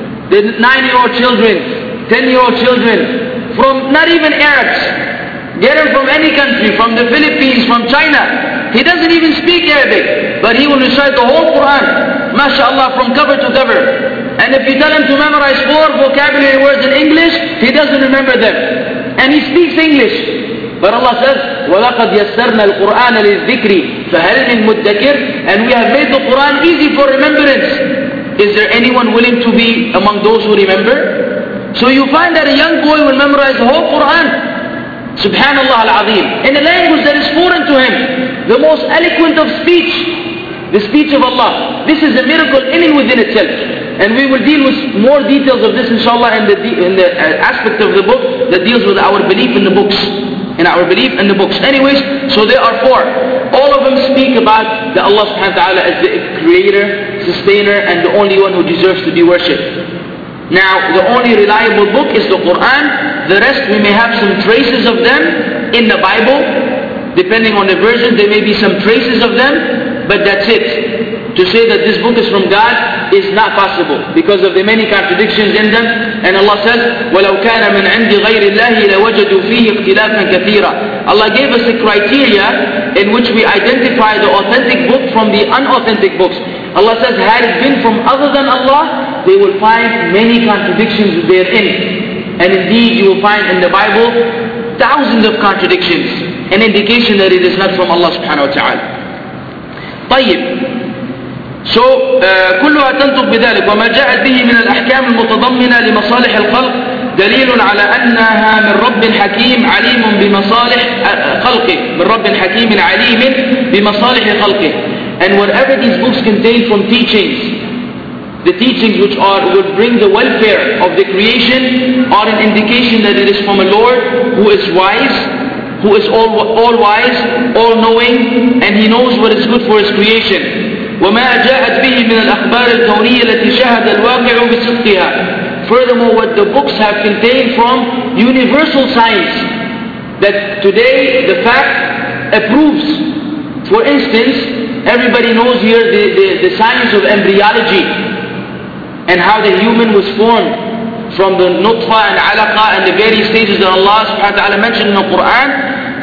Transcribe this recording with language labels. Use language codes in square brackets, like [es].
[en] The 9-year-old children, 10-year-old children, from not even Arabs. Get him from any country, from the Philippines, from China. He doesn't even speak Arabic, but he will recite the whole Qur'an, mashallah, from cover to cover. And if you tell him to memorize four vocabulary words in English, he doesn't remember them. And he speaks English. [ar] But Allah says, وَلَقَدْ يَسَّرْنَا الْقُرْآنَ لِلذِّكْرِ فَهَلْ مِنْ مُدَّكِرٍ. [en] And we have made the Qur'an easy for remembrance. Is there anyone willing to be among those who remember? So you find that a young boy will memorize the whole Qur'an, Subhanallah al-Azim, in a language that is foreign to him, the most eloquent of speech, the speech of Allah. This is a miracle in and within itself. And we will deal with more details of this, inshallah, in the aspect of the book that deals with our belief in the books. In our belief in the books. Anyways, so there are four. All of them speak about that Allah subhanahu wa ta'ala is the creator, sustainer, and the only one who deserves to be worshipped. Now, the only reliable book is the Qur'an. The rest, we may have some traces of them in the Bible. Depending on the version, there may be some traces of them. But that's it. to say that this book is from God is not possible because of the many contradictions in them. [ar] And Allah said, وَلَوْ كَانَ مِنْ عِنْدِ غَيْرِ اللَّهِ لَوَجَدُوا فِيهِ اخْتِلَافًا كَثِيرًا. [en] Allah gave us a criteria in which we identify the authentic book from the unauthentic books. Allah says, had it been from other than Allah, they will find many contradictions therein. And indeed, you will find in the Bible thousands of contradictions, an indication that it is not from Allah subhanahu wa ta'ala. [ar] طيب. So, كلها تنطق بذلك وما جاءت به من الأحكام المتضمنة لمصالح الخلق دليل على أنها من رب حكيم عليم بمصالح خلقه. من رب حكيم عليم بمصالح خلقه. [en] And whatever these books contain from teachings, the teachings which are would bring the welfare of the creation are an indication that it is from a Lord who is wise, who is all wise, all knowing, and He knows what is good for His creation. [ar] وما جاءت به من الأخبار الكونية التي شهد الواقع بصدقها. [en] Furthermore, what the books have contained from universal science, that today the fact approves. For instance, everybody knows here the science of embryology and how the human was formed from the nutfa and alaqa and the various stages that Allah subhanahu wa ta'ala mentioned in the Quran.